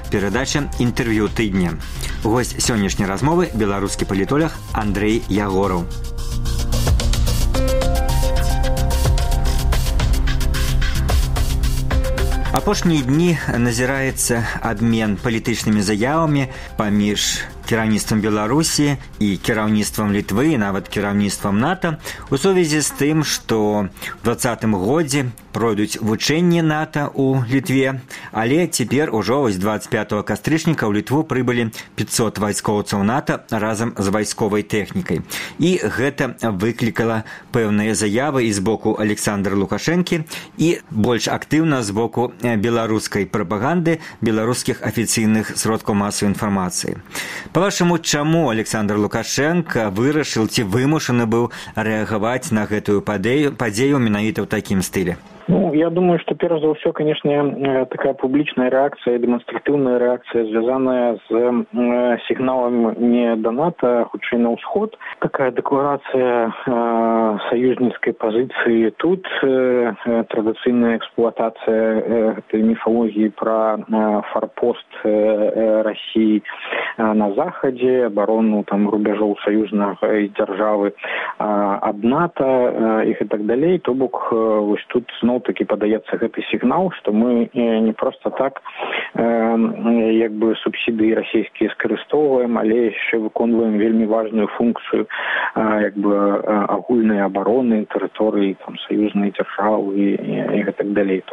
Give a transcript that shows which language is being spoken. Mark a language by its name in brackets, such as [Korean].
[Belarusian] Передача «Інтерв'ю тыдня». [Russian] Гость сегодняшней размовы – белорусский политолог Андрей Ягоров. [Belarusian] Апошнія дні назіраецца абмен палітычнымі заявамі паміж кіраўніцтвам Беларусі і кіраўніцтвам Літвы, і нават кіраўніцтвам НАТО, у сувязі з тым, што ў 20-м годзе пройдуць вучэнні НАТО ў Літве, але цяпер ужо вось 25 кастрычніка ў Літву прыбылі 500 вайскоўцаў НАТО разам з вайсковай тэхнікай. І гэта выклікала пэўныя заявы і з боку Александра Лукашэнкі, і больш актыўна з боку беларускай прапаганды, беларускіх афіцыйных сродкаў масавай інфармацыі. По-вашаму, чаму Александр Лукашэнка вырашыў ці вымушаны быў рэагаваць на гэтую падзею менавіта ў такім стылі? [Russian] Ну, я думаю, что [Belarusian] перш за ўсё, [Russian] конечно, такая публичная реакция, демонстративная реакция, связанная с сигналом не до НАТО, а [Belarusian] хутчэй на Усход. [Russian] Такая декларация союзницкой позиции тут, традиционная эксплуатация этой мифологии про форпост России на Заходе, оборону там рубежов союзной державы от НАТО их и так далее. [Belarusian] То бок, [Russian] вот тут снова [Belarusian] такі падаецца гэты сігнал, што мы не проста так як бы субсідыі расійскія скарыстоўваем, але яшчэ выконваем вельмі важную функцыю як бы агульнай абароны тэрыторыі там саюзнай дзяржавы і гэтак далей.